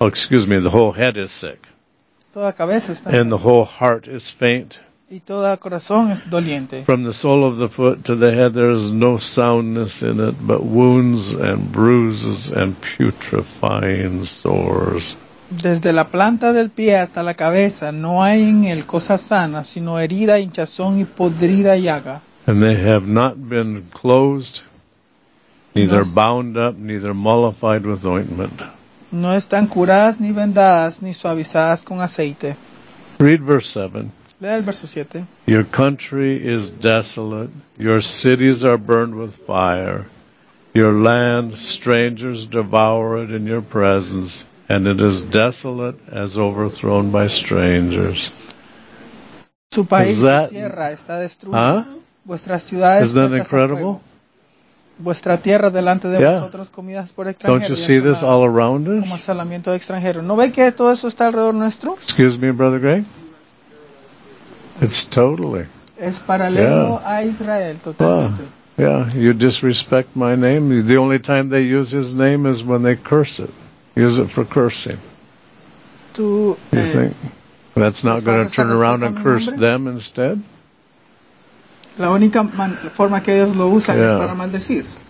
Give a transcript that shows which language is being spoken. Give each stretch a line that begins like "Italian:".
English: Oh, excuse me, the whole head is sick.
Spanish: Toda cabeza está enferma.
English: And the whole heart is faint.
Spanish: Y todo corazón es doliente.
English: From the sole of the foot to the head, there is no soundness in it, but wounds and bruises and putrefying sores.
Spanish: Desde la planta del pie hasta la cabeza, no hay en él cosa sana, sino herida, hinchazón y podrida llaga.
English: And they have not been closed, neither bound up, neither mollified with ointment.
Spanish: No están curadas, ni vendadas, ni suavizadas con aceite.
English: Read verse 7.
Spanish: Lea el verso 7.
English: Your country is desolate. Your cities are burned with fire. Your land, strangers devour it in your presence. And it is desolate as overthrown by strangers.
Spanish: Su país, su tierra está destruida. Huh? Vuestras ciudades.
English: Isn't that incredible?
Spanish: Vuestra tierra delante de vosotros comidas por extranjeros.
English: Don't you see this all around us?
Spanish: Como asolamiento de extranjeros. ¿No ve que todo eso está alrededor nuestro?
English: Excuse me, Brother Greg. It's totally.
Spanish: Es paralelo a Israel, totalmente.
English: Yeah, you disrespect my name. The only time they use his name is when they curse it. Use it for cursing. You think that's not going to turn around and curse them instead?
Spanish: La única forma que ellos lo usan es para maldecir.